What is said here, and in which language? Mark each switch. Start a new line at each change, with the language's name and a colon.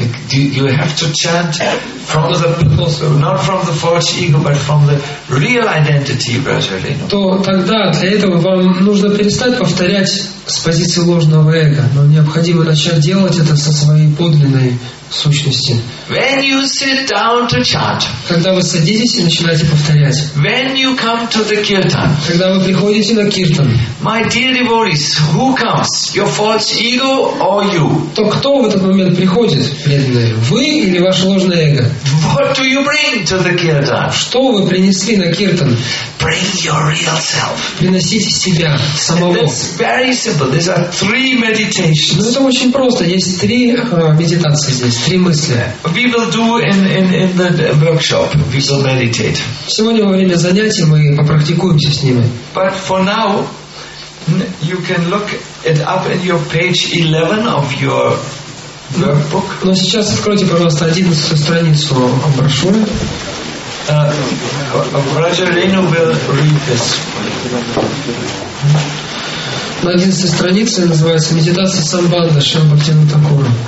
English: you have to chant from the not from the false ego, but from the real identity, gradually.
Russian: То тогда для этого вам нужно перестать повторять с позиции ложного эго, но необходимо начать делать это со своей подлинной сущности.
English: When you sit down to chant,
Russian: когда вы садитесь и начинаете повторять.
English: When you come to the kirtan,
Russian: когда вы приходите на киртан.
English: My dear devotees, who comes? Your false ego or you?
Russian: То кто в этот момент приходит, преданные? Вы или ваше ложное эго?
English: What do you bring to the kirtan?
Russian: Что вы принесли на киртан?
English: Bring your real self.
Russian: Приносите себя самого.
English: It's very simple. These are three meditations.
Russian: Ну это очень просто. Есть три медитации. Здесь три мысли.
English: We will do in the workshop. We will meditate.
Russian: Сегодня во время занятий мы попрактикуемся с ними.
English: But for now, you can look it up in your page 11 of your workbook.
Russian: Но сейчас откройте, пожалуйста, 11 страницу брошюры.
English: Raja Renu will read this.
Russian: На 11 странице называется «Медитация Самбанда Шамбхактина Такура».